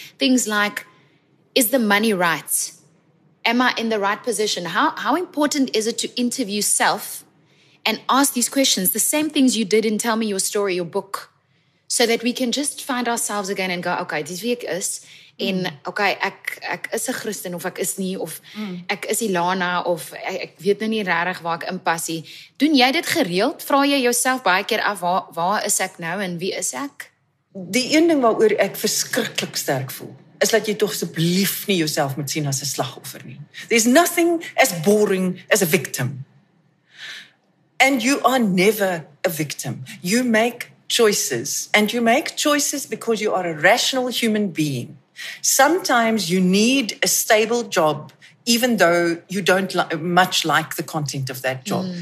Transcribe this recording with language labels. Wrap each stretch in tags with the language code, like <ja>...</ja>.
<en>Things like, is the money right? Am I in the right position? How important is it to interview self and ask these questions? The same things you did in Tell Me Your Story, your book, so that we can just find ourselves again and go, okay, this week is...</en> <af>En okay, ek is 'n Christen of ek is nie of ek is Ilana of ek weet nou nie regtig waar ek inpas nie. Doen jy dit gereeld? Vra jy jouself baie keer af waar is ek nou en wie is ek? Die een ding waaroor ek verskriklik sterk voel, is dat jy tog asseblief nie jouself moet sien as 'n slagoffer nie.</af> <en>There's nothing as boring as a victim. And you are never a victim. You make choices and you make choices because you are a rational human being. Sometimes you need a stable job, even though you don't much like the content of that job.</en>